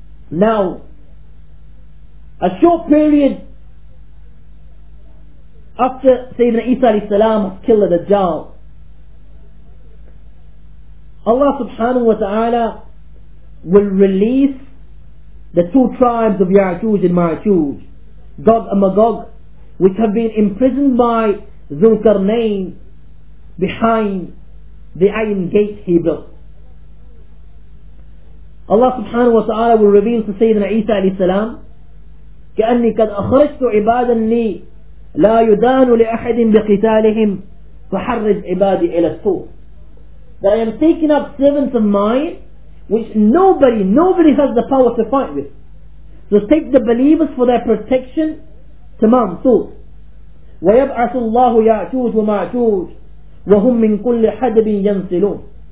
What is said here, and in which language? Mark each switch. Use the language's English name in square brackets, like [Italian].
[English] Now, a short period after Sayyidina Isa alayhi salam killed the Dajjal, Allah subhanahu wa ta'ala will release the two tribes of Ya'juj and Ma'juj, Gog and Magog, which have been imprisoned by Dhulqarnayn behind the iron gate he built. Allah subhanahu wa ta'ala will reveal to Sayyidina Isa alayhi salam, [Arabic] كأني قد أخرجت عبادا لي لا يدان لأحد بقتالهم فحرج عبادي إلى السوء. [English] That I am taking up servants of mine which nobody has the power to fight with. So take the believers for their protection. [Arabic] Tamam, so. وَيَبْعَثُ اللَّهُ يَعْجُوجُ وَمَعْجُوجُ وَهُمْ مِنْ كُلِّ حَدَبٍ يَنْسِلُونَ.